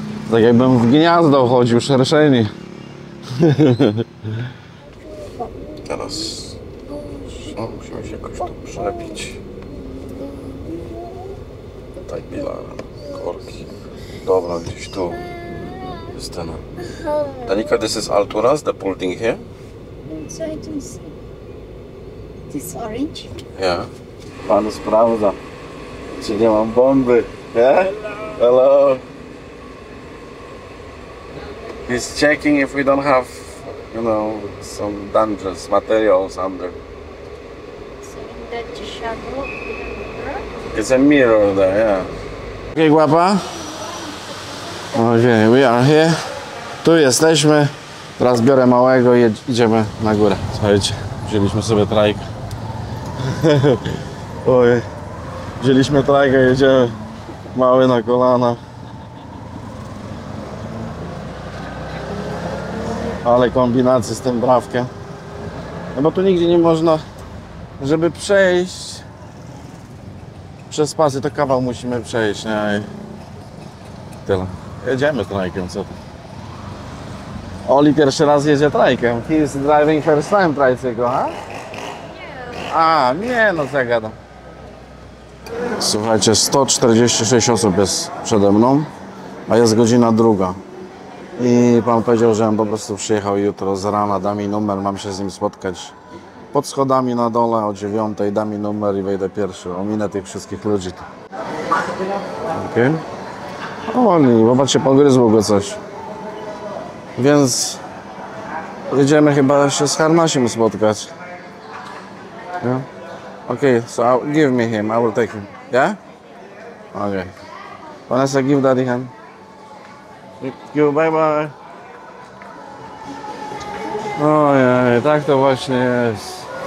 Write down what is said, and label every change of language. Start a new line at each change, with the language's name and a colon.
Polish: Tak jakbym w gniazdo chodził, szerszeni. Teraz musimy się jakoś tu przylepić. Tutaj bila, korki. Dobra, gdzieś tu jest ten.
English: Danika, this is Alturas, the building here. This orange? Yeah.
Polish: Pan sprawdza, czy nie mam bomby.
English: Yeah? Hello. He's checking if we don't have, you know, some dangerous materials under. So in that shadow? It's a mirror there, yeah. Okay, guapa. Okay, we are here.
Polish: Tu jesteśmy. Teraz biorę małego i idziemy na górę. Słuchajcie, wzięliśmy sobie trajk. Oj, wzięliśmy trajkę, jedziemy mały na kolana. Ale kombinacje z tym brawkiem. No bo tu nigdzie nie można, żeby przejść przez pasy, to kawał musimy przejść, nie? I tyle. Jedziemy trajkiem, co to? Oli pierwszy raz jedzie trajkiem.
English: He is driving first time tricycle, huh?
Polish: A, nie, no co ja gadam. Słuchajcie, 146 osób jest przede mną, a jest godzina druga. I pan powiedział, że on po prostu przyjechał jutro z rana, da mi numer, mam się z nim spotkać pod schodami na dole o 9:00, da mi numer i wejdę pierwszy, ominę tych wszystkich ludzi. Okej. Oni, popatrzcie, pogryzło go coś. Więc idziemy chyba się z Harmasim spotkać.
English: Yeah? Okay, so I'll give me him, I will take him. Yeah? Okay. Vanessa, give daddy hand. Thank you, bye bye.
Polish: Ojej, tak to właśnie jest.